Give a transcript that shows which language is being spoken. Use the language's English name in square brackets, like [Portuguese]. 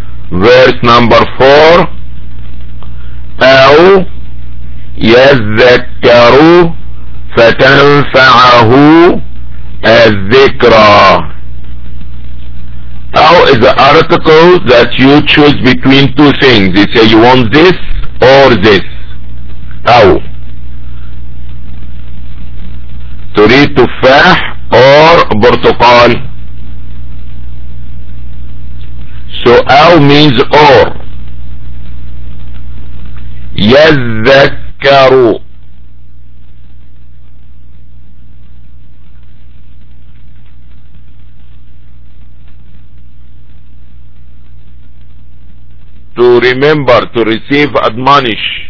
[English] Verse number 4. [Arabic] أو يذكر فتنفعه الذكرى. [English] أو is the article that you choose between two things. You say you want this or this. [Arabic] أو تريد تفاح [English] or [Arabic] برتقال. [English] So أو means or. يذكر to remember, to receive admonish.